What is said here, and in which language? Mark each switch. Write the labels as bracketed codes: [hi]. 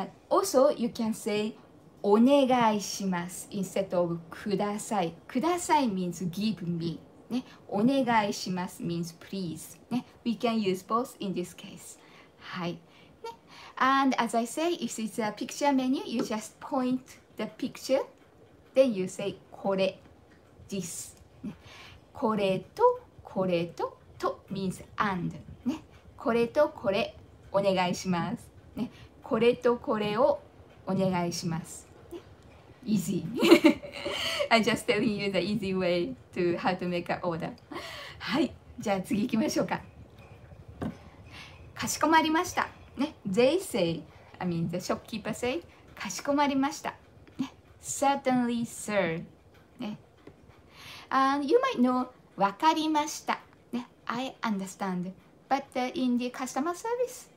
[en] Also, you can say お願いします Instead of ください ください means give me、ね、お願いします means please、ね、We can use both in this case、はいAnd as I say, if it's a picture menu, you just point the picture, then you say, これ this. [ja] これとこれとと [en] means and.、 [ja] ね、これとこれお願いします、ね。これとこれをお願いします。 [en] ね、easy. I'm just telling you the easy way to how to make an order. [ja] はい、じゃあ次行きましょうか。かしこまりました。 [en] ね、They say, I mean the shopkeeper say, かしこまりました、ね、Certainly, sir、ね、And you might know, [ja] わかりました、 [en] ね、I understand But in the customer service,